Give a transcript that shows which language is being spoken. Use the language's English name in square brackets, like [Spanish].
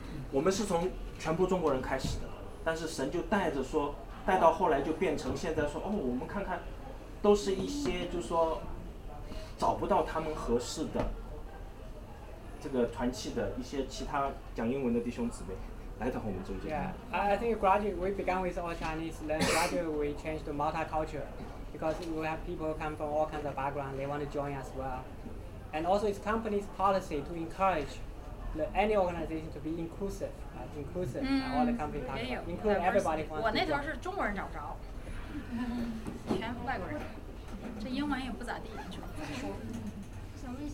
[Chinese] 我们是从全部中国人开始的，但是神就带着说，带到后来就变成现在说，哦，我们看看，都是一些就说找不到他们合适的。这个团契的一些其他讲英文的弟兄姊妹来到我们中间。 [English] Yeah, I think gradually we began with all Chinese, then gradually we changed to multicultural, because we have people come from all kinds of background, they want to join as well. And also it's company's policy to encourage any organization to be inclusive, inclusive, all the company talk about, including everybody wants to join. [Chinese] 我那头是中国人找不着，全外国人，这英文也不咋地，就说。